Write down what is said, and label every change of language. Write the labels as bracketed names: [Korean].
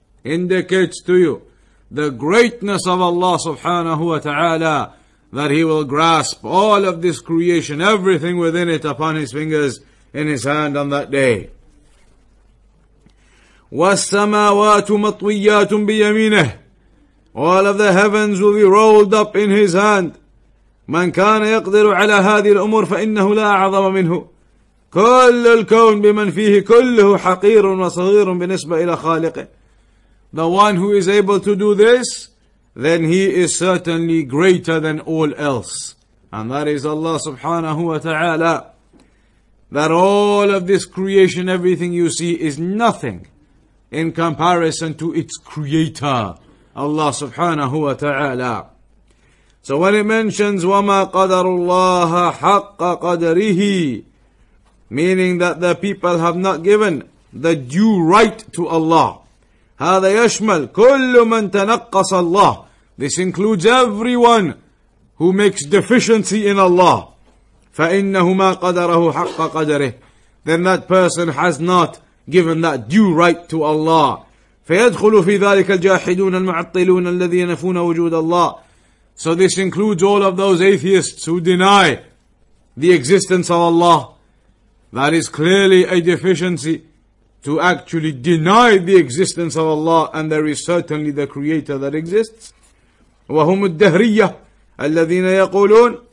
[English] Indicates to you the greatness of Allah subhanahu wa ta'ala, that He will grasp all of this creation, everything within it, upon His fingers, in His hand on that day. [Arabic] وَالسَّمَاوَاتُ مَطْوِيَّاتٌ بِيَمِينِهِ. [English] All of the heavens will be rolled up in His hand. [Arabic] مَنْ كَانَ يَقْدِرُ عَلَى هَذِهِ الْأُمُورِ فَإِنَّهُ لَا أَعْظَمَ مِنْهُ. كل الكون بمن فيه كله حقير وصغير بالنسبة إلى خالقه. [English] The one who is able to do this, then he is certainly greater than all else. And that is Allah subhanahu wa ta'ala. That all of this creation, everything you see, is nothing in comparison to its creator, Allah subhanahu wa ta'ala. So when it mentions, [Arabic] وَمَا قَدَرُ اللَّهَ حَقَّ قَدَرِهِ, [English] meaning that the people have not given the due right to Allah. [Arabic] هذا يشمل كل من تنقص الله. [English] This includes everyone who makes deficiency in Allah. [Arabic] فإنه ما قدره حق قدره. [English] Then that person has not given that due right to Allah. [Arabic] فيدخل في ذلك الجاحدون المعطلون الذين ينفون وجود الله. [English] So this includes all of those atheists who deny the existence of Allah. That is clearly a deficiency to actually deny the existence of Allah, and there is certainly the Creator that exists. [Arabic] وَهُمُ الدَّهْرِيَّةِ الَّذِينَ يَقُولُونَ.